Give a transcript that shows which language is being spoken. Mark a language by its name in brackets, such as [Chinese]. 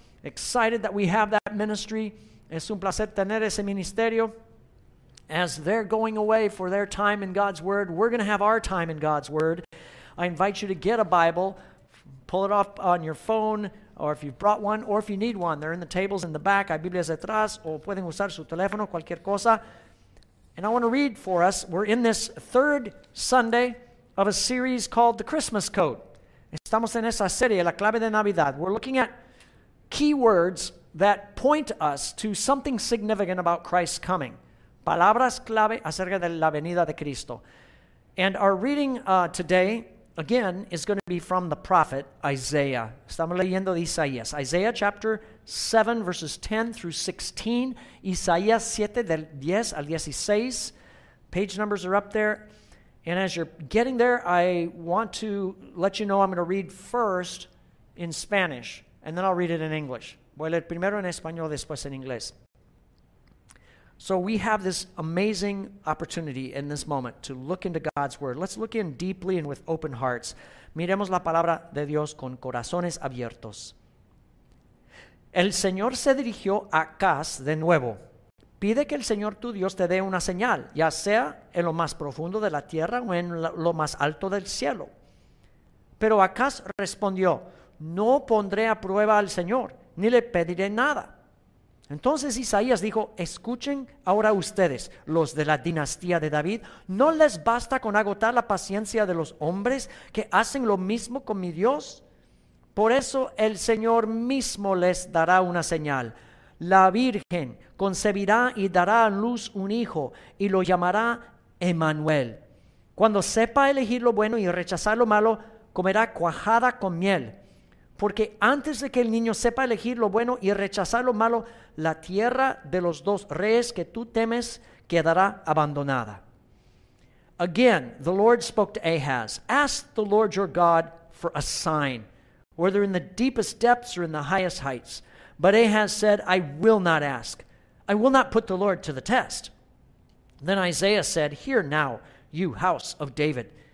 [English] Excited that we have that ministry. [Spanish] Es un placer tener ese ministerio. [English] As they're going away for their time in God's Word, we're going to have our time in God's Word. I invite you to get a Bible, pull it off on your phone, or if you've brought one, or if you need one. They're in the tables in the back. [Spanish] Hay Biblias detrás, o pueden usar su teléfono, cualquier cosa. [English] And I want to read for us. We're in this third Sunday of a series called The Christmas Code. [Spanish] Estamos en esa serie, La Clave de Navidad. [English] We're looking at keywords that point us to something significant about Christ's coming. [Spanish] Palabras clave acerca de la venida de Cristo. [English] And our reading today, again, is going to be from the prophet Isaiah. [Spanish] Estamos leyendo de Isaías. [English] Isaiah chapter 7, verses 10 through 16. [Spanish] Isaías 7, del 10 al 16. [English] Page numbers are up there. And as you're getting there, I want to let you know I'm going to read first in Spanish, and then I'll read it in English. [Spanish] Voy a leer primero en español, después en inglés. [English] So we have this amazing opportunity in this moment to look into God's Word. Let's look in deeply and with open hearts. [Spanish] Miremos la palabra de Dios con corazones abiertos. El Señor se dirigió a Acaz de nuevo. Pide que el Señor tu Dios te dé una señal, ya sea en lo más profundo de la tierra o en lo más alto del cielo. Pero Acaz respondió, no pondré a prueba al Señor, ni le pediré nada. Entonces Isaías dijo, escuchen ahora ustedes, los de la dinastía de David, ¿no les basta con agotar la paciencia de los hombres que hacen lo mismo con mi Dios? Por eso el Señor mismo les dará una señal. La Virgen concebirá y dará a luz un hijo y lo llamará Emmanuel. Cuando sepa elegir lo bueno y rechazar lo malo, comerá cuajada con miel. Porque antes de que el niño sepa elegir lo bueno y rechazar lo malo, la tierra de los dos reyes que tú temes quedará abandonada. [English] Again, the Lord spoke to Ahaz. Ask the Lord your God for a sign, whether in the deepest depths or in the highest heights. But Ahaz said, I will not ask. I will not put the Lord to the test. Then Isaiah said, hear now, you house of David.